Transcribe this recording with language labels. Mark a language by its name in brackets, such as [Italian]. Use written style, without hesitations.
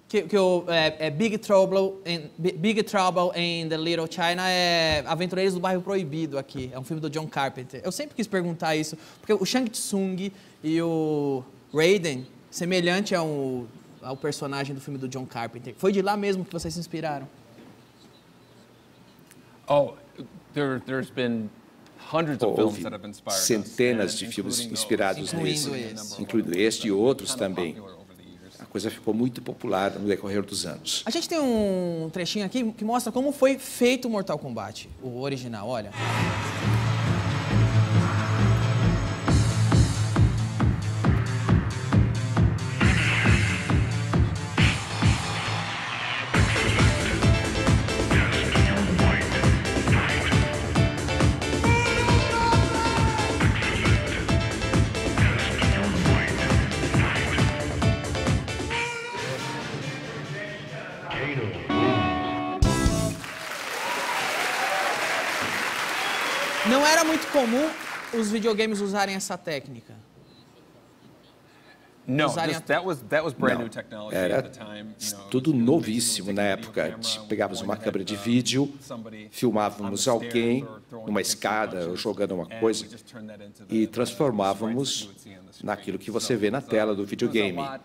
[Portuguese] Que o Big Trouble in the Little China é Aventureiros do Bairro Proibido aqui. É um filme do John Carpenter. Eu sempre quis perguntar isso, porque o Shang Tsung e o Raiden, semelhante ao personagem do filme do John Carpenter, foi de lá mesmo que vocês se inspiraram? [English] Oh, there's been hundreds of films that have inspired us. [Portuguese] Centenas de filmes inspirados nisso, incluindo este e outros também. A coisa ficou muito popular no decorrer dos anos. A gente tem um trechinho aqui que mostra como foi feito o Mortal Kombat, o original, olha. Comum os videogames usarem essa técnica? [English] Não, that was brand new technology. [Portuguese] Era tudo novíssimo na época. Pegávamos uma câmera de vídeo, filmávamos alguém numa escada ou jogando uma coisa e transformávamos naquilo que você vê na tela do videogame.